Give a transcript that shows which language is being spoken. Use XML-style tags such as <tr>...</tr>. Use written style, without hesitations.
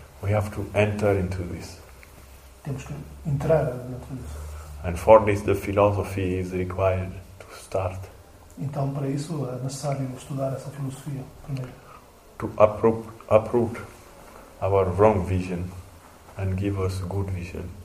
<en>We have to enter into this.</en> <pt>Temos que entrar dentro disso.</pt> <en>And for this the philosophy is required to start.</en> <pt>Então, para isso, é necessário estudar essa filosofia primeiro.</pt> <en>To uproot our wrong vision and give us good vision.</en>